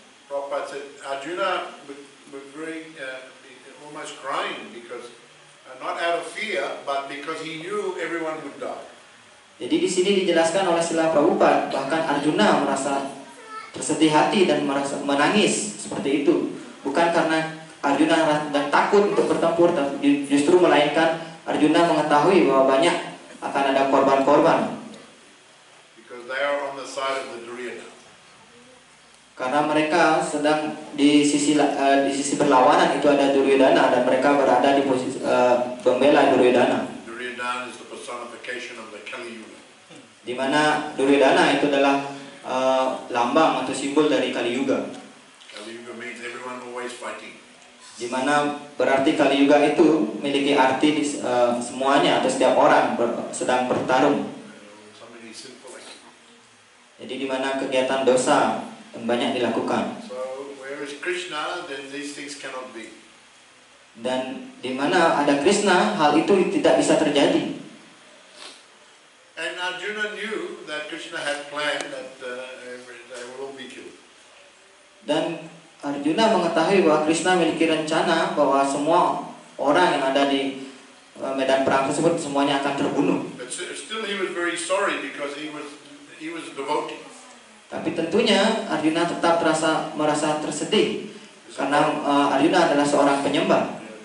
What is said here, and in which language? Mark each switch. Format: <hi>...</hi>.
<en>Prabhupada said Arjuna was almost crying because not out of fear but because he knew everyone would die.</en> <id>Jadi di sini dijelaskan oleh Srila Prabhupada bahkan Arjuna merasa tersedih hati dan merasa menangis seperti itu bukan karena Arjuna dan takut untuk bertempur tapi justru melainkan Arjuna mengetahui bahwa banyak akan ada korban-korban.</id> <en>Because they are on the side of the Duryodhana.</en> <id>Karena mereka sedang di sisi berlawanan itu ada Duryodhana dan mereka berada di posisi pembela Duryodhana.</id> <en>Duryodhana is the personification of the Kali Yuga.</en> <id>Di mana Duryodhana itu adalah lambang atau simbol dari Kali Yuga.</id> <en>Kali Yuga means everyone always fighting.</en> <id>Di mana berarti Kali Yuga itu memiliki arti di semuanya atau setiap orang sedang bertarung. Jadi di mana kegiatan dosa dan banyak dilakukan.</id> <en>So where is Krishna, then these things cannot be.</en> <id>Dan di mana ada Krishna, hal itu tidak bisa terjadi.</id> <en>And Arjuna knew that Krishna had planned that they would all be killed.</en> <id>Dan Arjuna mengetahui bahwa Krishna memiliki rencana bahwa semua orang yang ada di medan perang tersebut semuanya akan terbunuh.</id> <en>But still he was very sorry because he was a devotee.</en> <id>Tapi tentunya Arjuna tetap merasa tersedih karena Arjuna adalah seorang penyembah.</id>